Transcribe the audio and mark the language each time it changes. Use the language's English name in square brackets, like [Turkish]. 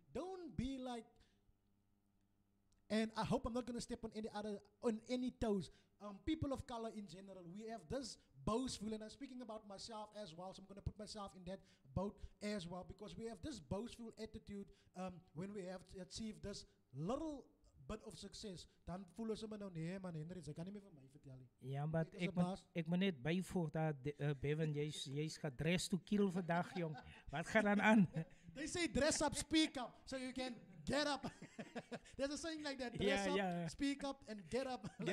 [English] Don't be like, and I hope I'm not going to step on any toes, people of color in general, we have this boastful, and I'm speaking about myself as well, so I'm going to put myself in that boat as well, because we have this boastful attitude when we have achieved this little bit of success. [Dutch] Dan voelen ze me nou nee, man Henry, ze kan niet meer van mij vertellen. Ja, maar ik moet net bijvoegen dat Bevan, jij is [English] gedressed to kill [Dutch] vandaag, jong. Wat gaat dan aan? [English] They say dress up, speak up, so you can get up. There's a saying like that, dress up, speak up, and get up.